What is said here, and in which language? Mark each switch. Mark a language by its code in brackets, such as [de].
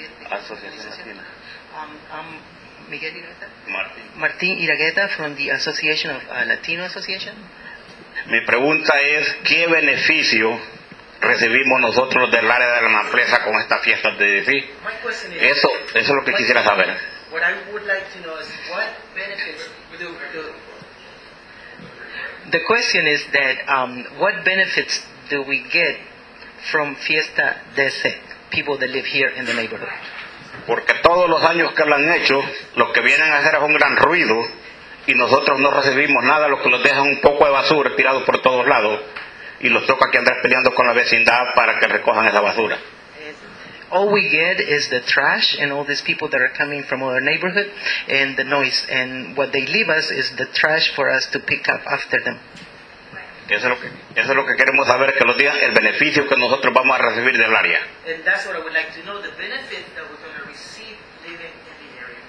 [es] Asociación. Miguel Iragueta? Martín [en] Iragueta from the Association of Latino Association. [es] Mi pregunta es, ¿qué beneficio recibimos nosotros del área de la empresa con esta fiesta de DC? Eso es lo que quisiera saber. [en] What I would like to know is, what benefits do we do? The question is that, what benefits do we get from Fiesta DC, people that live here in the neighborhood? [es] Porque todos los años que lo han hecho, lo que vienen a hacer es un gran ruido y nosotros no recibimos nada, lo que nos dejan un poco de basura tirado por todos lados y los toca que andar peleando con la vecindad para que recojan esa basura. [en] All we get is the trash and all these people that are coming from our neighborhood and the noise, and what they leave us is the trash for us to pick up after them. [es] Eso es lo que queremos saber, que los días, el beneficio que nosotros vamos a recibir del área. [en] And that's what I would like to know, the benefit that we're going to receive living in the area.